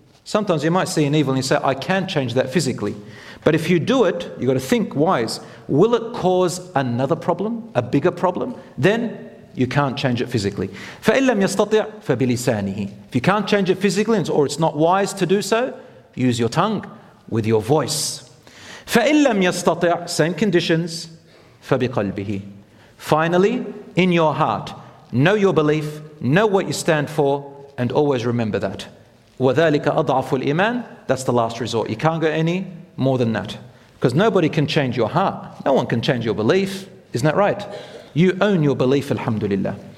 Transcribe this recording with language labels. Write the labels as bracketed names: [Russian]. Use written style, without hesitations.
[English] Sometimes you might see an evil and you say, I can change that physically. But if you do it, you've got to think wise, will it cause another problem, a bigger problem? Then you can't change it physically. [Arabic] فَإِنْ لَمْ يَسْتَطِعْ فَبِلِسَانِهِ. [English] If you can't change it physically, or it's not wise to do so, use your tongue with your voice. [Arabic] فَإِنْ لَمْ يَسْتَطِعْ, [English] same conditions, [Arabic] فَبِقَلْبِهِ. [English] Finally, in your heart, know your belief, know what you stand for, and always remember that. [Arabic] وَذَلِكَ أَضْعَفُ الْإِيمَانِ. [English] That's the last resort. You can't go any more than that. Because nobody can change your heart. No one can change your belief. Isn't that right? You own your belief, alhamdulillah.